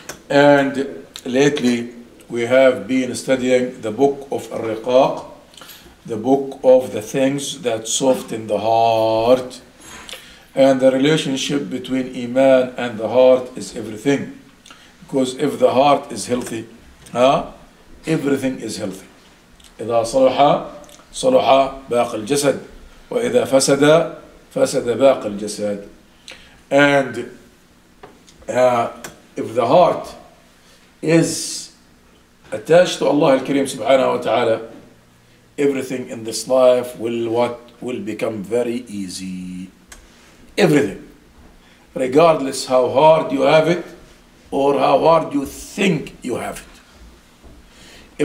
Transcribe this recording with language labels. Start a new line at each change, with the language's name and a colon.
English: And lately we have been studying the book of Ar-Riqaq, the book of the things that soften the heart. And the relationship between Iman and the heart is everything. Because if the heart is healthy, everything is healthy.
Arabic: إذا صلح صلح باقي الجسد وإذا فسد فسد باقي الجسد.
English: And if the heart is attached to Allah al-Kareem subhanahu wa ta'ala, everything in this life will become very easy. Everything, regardless how hard you have it or how hard you think you have it.